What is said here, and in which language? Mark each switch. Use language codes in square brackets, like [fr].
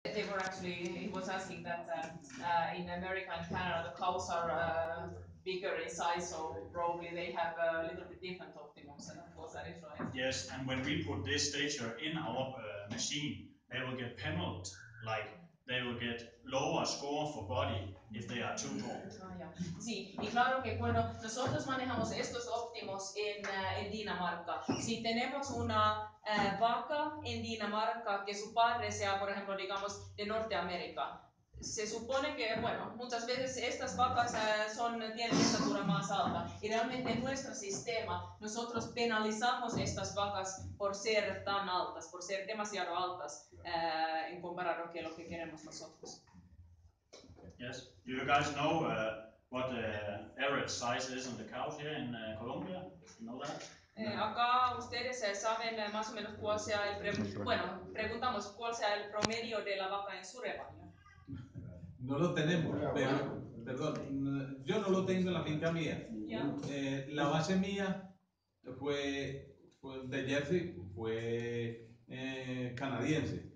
[en] correctly, it was asking that in America and Canada, the cows are bigger in size, so probably they have a little bit different optimums, and of course that is right. Yes, and when we put this stature in our machine, they will get penalized, like they will get lower score for body if they are too tall. [es] Sí, y claro que bueno, nosotros manejamos estos óptimos en Dinamarca. Si tenemos una vaca en Dinamarca que su padre sea, por ejemplo, digamos, de Norteamérica, se supone que, bueno, muchas veces estas vacas tienen estatura más alta. Y realmente en nuestro sistema, nosotros penalizamos estas vacas por ser tan altas, por ser demasiado altas en comparado que lo que queremos nosotros. [en] Yes. Do you guys know what the average size is on the cows here in Colombia? You know that? [es] Acá ustedes saben más o menos cuál sea el preguntamos cuál sea el promedio de la vaca en su rebaño. No lo tenemos, pero, perdón, yo no lo tengo en la finca mía. [en] Yeah. [es] La base mía fue de Jersey, fue canadiense.